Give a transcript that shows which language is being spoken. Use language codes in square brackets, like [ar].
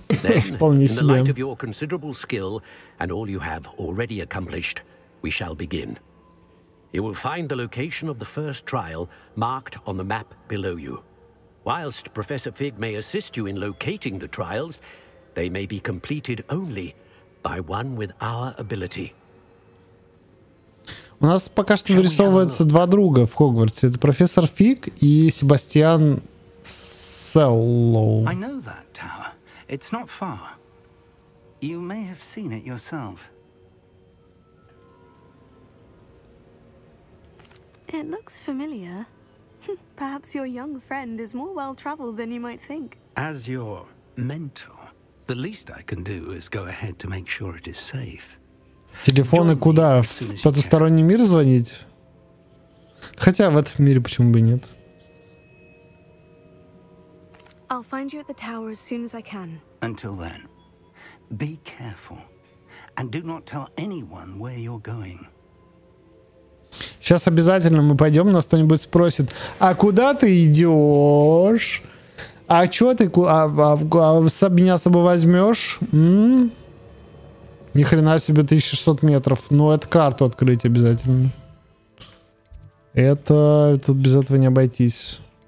[en] Then, in the light of your considerable skill and all you have already accomplished, we shall begin. You will find the location of the first trial marked on the map below you. Whilst Professor Fig may assist you in locating the trials, they may be completed only by one with our ability. [ru] У нас пока что вырисовывается два друга в Хогвартсе. Это профессор Фиг и Себастьян Селлоу. [en] I know that tower. It's not far. You may have seen it yourself. It looks familiar. Perhaps your young friend is more well-traveled than you might think. As your mentor, the least I can do is go ahead to make sure it is safe. [ru] Телефоны куда? В потусторонний мир звонить? Хотя в этом мире почему бы нет? [en] I'll find you at the tower as soon as I can. Until then, be careful and do not tell anyone where you're going. [ru] Сейчас обязательно мы пойдем, нас кто-нибудь спросит, а куда ты идешь? А что ты, а меня с собой возьмешь? Ни хрена себе 1600 метров. Ну, это карту открыть обязательно. Это тут без этого не обойтись.